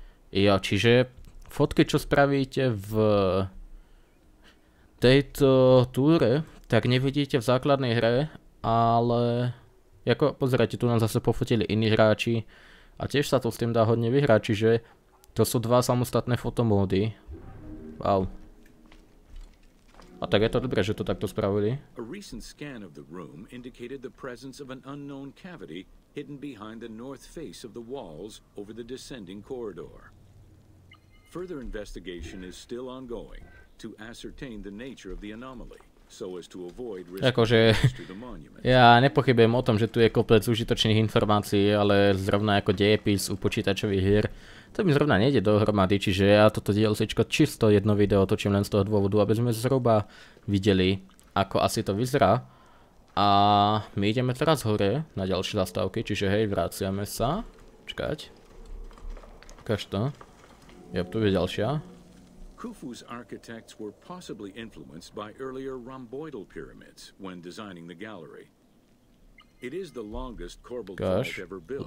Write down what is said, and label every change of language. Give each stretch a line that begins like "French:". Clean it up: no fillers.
Slovak: Jo, čiže fotky, čo spravíte v tejto túre, tak nevidíte v základnej hre, ale ako pozerajte, tu nám zase pofotili iní hráči. A tiež sa to s tým dá hodne vyhrať, čiže to sú dva samostatné fotomódy. Wow. A tak je to dobré, že to takto spravili.
English: A recent scan of the room indicated the presence of an unknown cavity hidden behind the north face of the walls over the descending corridor. Further investigation is still ongoing to ascertain the nature of the anomaly.
Slovak: Akože, ja nepochybujem o tom, že tu je kopec užitočných informácií, ale zrovna ako dejepis u počítačových hier, to mi zrovna nejde dohromady, čiže ja toto dielcečko čisto jedno video točím len z toho dôvodu, aby sme zhruba videli, ako asi to vyzerá. A my ideme teraz hore na ďalšie zastávky, čiže hej, vraciame sa. Čkať. Ukáž to. Jop, tu je ďalšia.
English: Khufu's architects were possibly influenced by earlier rhomboidal pyramids when designing the gallery. It is the longest corbelled vault ever built,